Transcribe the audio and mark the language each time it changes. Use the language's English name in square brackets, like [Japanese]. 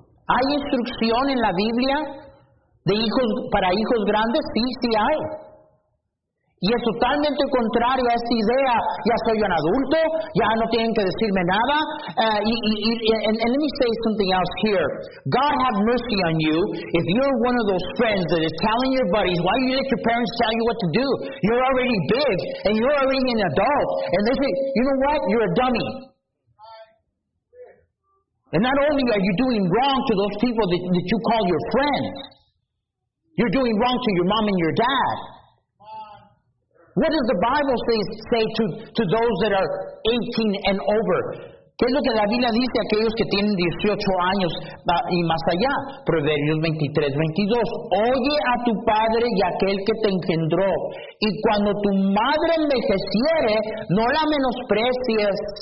[Spanish] ¿Hay instrucción en la Biblia? De hijos, para hijos grandes, sí, sí hay. Y es totalmente contrario a esta idea. Ya soy un adulto, ya no tienen que decirme nada. [English] And let me say something else here. God have mercy on you if you're one of those friends that is telling your buddies, why do you let your parents tell you what to do? You're already big, and you're already an adult. And they say, you know what? You're a dummy. And not only are you doing wrong to those people that you call your friends, you're doing wrong to your mom and your dad. What does the Bible say to those that are 18 and over? [Spanish] ¿Qué es lo que la Biblia dice a aquellos que tienen 18 años y más allá? Proverbios 23:22. Oye a tu padre y a aquel que te engendró. Y cuando tu madre envejeciere, no la menosprecies.